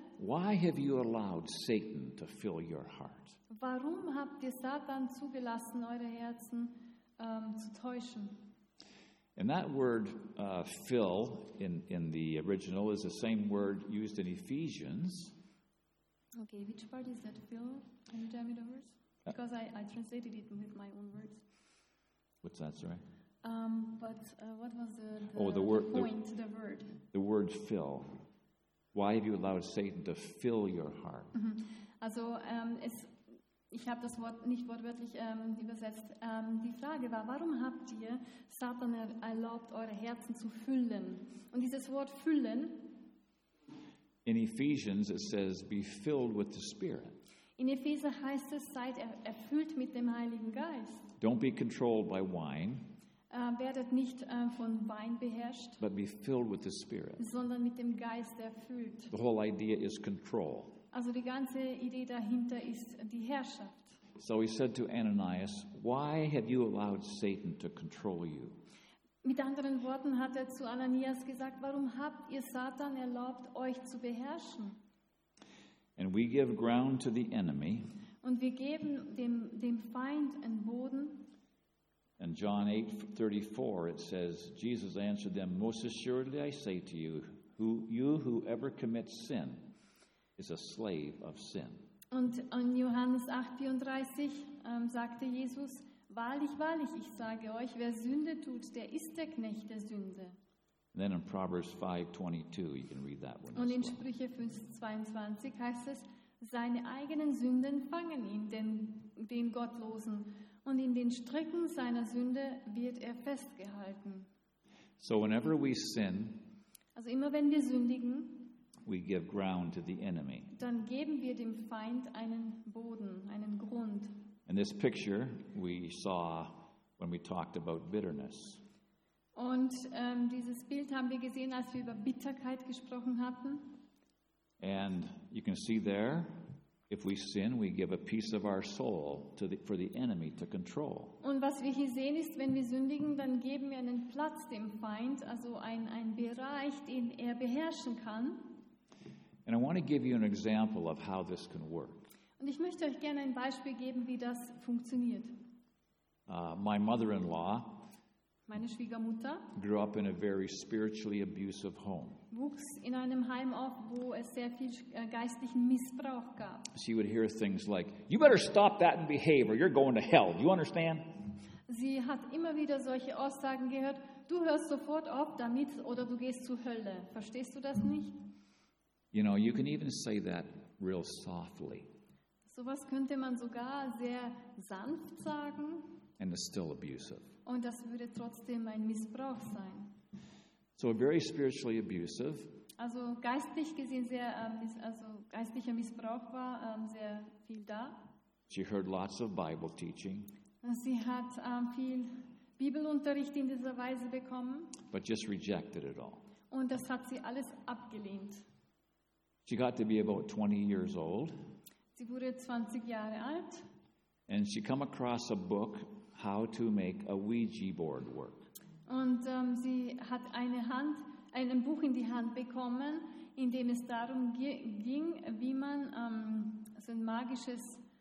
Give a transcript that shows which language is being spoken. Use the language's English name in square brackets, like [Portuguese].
[English] why have you allowed Satan to fill your heart? [German] Warum habt ihr Satan zugelassen, eure Herzen zu täuschen? [English] And that word fill in the original is the same word used in Ephesians. Okay, which part is that fill? Can you tell me the words? Because I translated it with my own words. What's that, sorry? What was the word? The word fill. Why have you allowed Satan to fill your heart? Mm-hmm. [German] Also, ich habe das Wort nicht wortwörtlich übersetzt. Die Frage war, warum habt ihr Satan erlaubt, eure Herzen zu füllen? Und dieses Wort füllen. [English] In Ephesians it says, be filled with the Spirit. [German] In Epheser heißt es, seid erfüllt mit dem Heiligen Geist. [English] Don't be controlled by wine. [German] Werdet nicht von Wein beherrscht, [English] but be filled with the Spirit. [German] Sondern mit dem Geist erfüllt. [English] The whole idea is control. [German] Also die ganze Idee dahinter ist die Herrschaft. [English] So he said to Ananias, why have you allowed Satan to control you? [German] Mit anderen Worten hat er zu Ananias gesagt, warum habt ihr Satan erlaubt, euch zu beherrschen? [English] And we give ground to the enemy. [German] Und wir geben dem Feind einen Boden. [English] And John 8:34, it says, Jesus answered them, most assuredly I say to you, whoever commits sin is a slave of sin. [German] Und in Johannes 8:34 sagte Jesus, wahrlich, wahrlich, ich sage euch, wer Sünde tut, der ist der Knecht der Sünde. [English] And then in Proverbs 5:22, you can read that one. [German] Und in Sprüche 5:22 heißt es, seine eigenen Sünden fangen ihn, den Gottlosen. Und in den Stricken seiner Sünde wird er festgehalten. [English] So whenever we sin, [German] also immer wenn wir sündigen, [English] we give ground to the enemy. [German] Dann geben wir dem Feind einen Boden, einen Grund. [English] And this picture we saw when we talked about bitterness. [German] Und dieses Bild haben wir gesehen, als wir über Bitterkeit gesprochen hatten. [English] And you can see there, if we sin, we give a piece of our soul for the enemy to control. [German] Und was wir hier sehen ist, wenn wir sündigen, dann geben wir einen Platz dem Feind, also ein Bereich, den er beherrschen kann. [English] And I want to give you an example of how this can work. [German] Und ich möchte euch gerne ein Beispiel geben, wie das funktioniert. [English] My mother-in-law [German] Meine Schwiegermutter [English] grew up in a very spiritually abusive home. [German] Wuchs in einem Heim auf, wo es sehr viel geistlichen Missbrauch gab. [English] She would hear things like, "You better stop that and behave, or you're going to hell." Do you understand? [German] Sie hat immer wieder solche Aussagen gehört. Du hörst sofort auf damit, oder du gehst zur Hölle. Verstehst du das nicht? [English] You know, you can even say that real softly. [German] So was könnte man sogar sehr sanft sagen. [English] And it's still abusive. [German] Und das würde trotzdem ein Missbrauch sein. [English] So very spiritually abusive. [German] Also geistlich gesehen sehr, also geistlicher Missbrauch war sehr viel da. [English] She heard lots of Bible teaching. [German] Sie hat viel Bibelunterricht in dieser Weise bekommen. [English] But just rejected it all. [German] Und das hat sie alles abgelehnt. [English] She got to be about 20 years old. [German] Sie wurde 20 Jahre alt. [English] And she came across a book, How to Make a Ouija Board Work. [German] Und sie hat ein Buch in die Hand bekommen, in dem es darum ging, wie man so ein magisches